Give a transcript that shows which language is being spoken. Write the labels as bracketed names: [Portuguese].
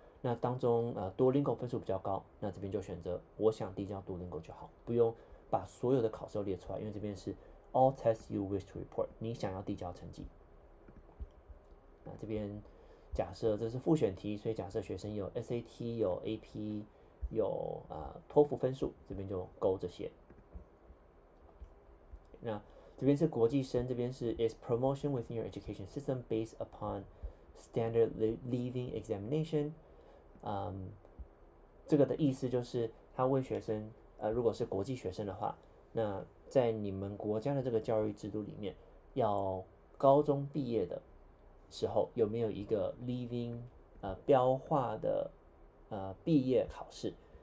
[Chinese] 那当中Duolingo 分数比较高，那这边就选择我想递交 Duolingo 就好，不用把所有的考试都列出来，因为这边是 [English] All tests you wish to report， [Chinese] 你想要递交成绩。那这边假设这是复选题，所以假设学生有 SAT 有 AP 有托福分数，这边就勾这些。那这边是国际生，这边是 [English] Is promotion within your education system based upon standard leaving examination？ [Chinese] 这个的意思就是他问学生，如果是国际学生的话，那在你们国家的这个教育制度里面，要高中毕业的时候有没有一个 leaving 标化的毕业考试？